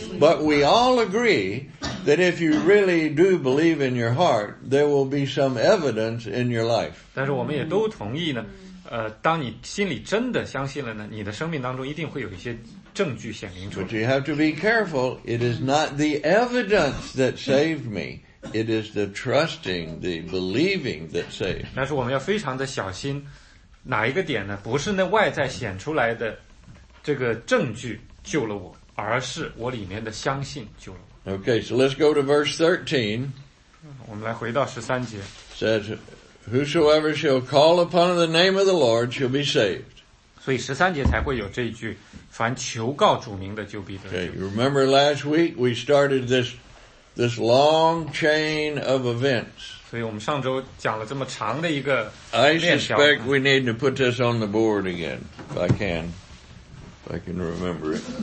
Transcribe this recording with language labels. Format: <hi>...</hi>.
<en>But we all agree that if you really do believe in your heart, there will be some evidence in your life.</en> <zh>但是我们也都同意呢，当你心里真的相信了呢，你的生命当中一定会有一些证据显明出来。</zh> <en>But you have to be careful. It is not the evidence that saved me. It is the trusting, the believing that saved.</en> <zh>但是我们要非常的小心。哪一个点呢？不是那外在显出来的这个证据救了我，而是我里面的相信救了我。</zh> <en>Okay, so let's go to verse 13.</en> <zh>我们来回到十三节。</zh> <en>Said, whosoever shall call upon the name of the Lord shall be saved.</en> <zh>所以十三节才会有这一句，凡求告主名的就必得救。</zh> <en>Okay, you remember last week we started this long chain of events.</en> <zh>所以我们上周讲了这么长的一个链条。</zh> <en>I suspect we need to put this on the board again, if I can remember it.</en>